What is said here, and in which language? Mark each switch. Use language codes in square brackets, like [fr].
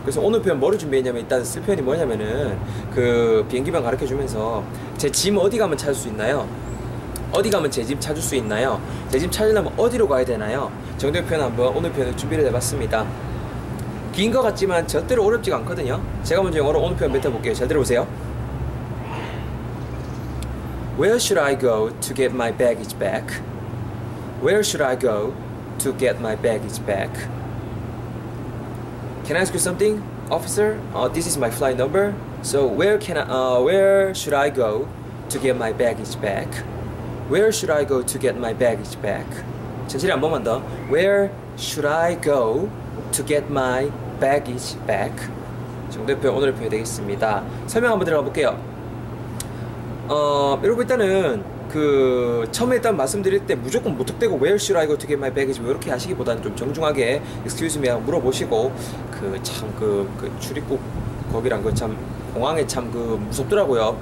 [ko] 그래서 오늘 표현 뭐를 준비했냐면 일단 쓸 표현이 뭐냐면은 그 비행기만 가르쳐주면서 제 짐 어디 가면 찾을 수 있나요? 어디 가면 제 짐 찾을 수 있나요? 제 짐 찾으려면 어디로 가야 되나요? 정도의 표현 한번 오늘 표현을 준비를 해봤습니다. 긴 것 같지만 절대로 어렵지가 않거든요. 제가 먼저 영어로 오늘 표현 뱉어볼게요. 잘 들어보세요. [en] Where should I go to get my baggage back? Where should I go to get my baggage back? Can I ask you something, officer? This is my flight number. So where should I go to get my baggage back? Where should I go to get my baggage back? [ko] 천천히 한 번만 더. [en] Where should I go to get my baggage back? [ko] 정도의 표현 오늘의 표현이 되겠습니다. 설명 한번 들어가 볼게요. 여러분 일단은 그 처음에 일단 말씀드릴 때 무조건 무턱대고 [en] Where should I go to get my baggage? [ko] 뭐 이렇게 하시기보다는 좀 정중하게 [en] Excuse me [ko] 하고 물어보시고 그 출입국 거기랑 그 참 공항에 참 그 무섭더라고요.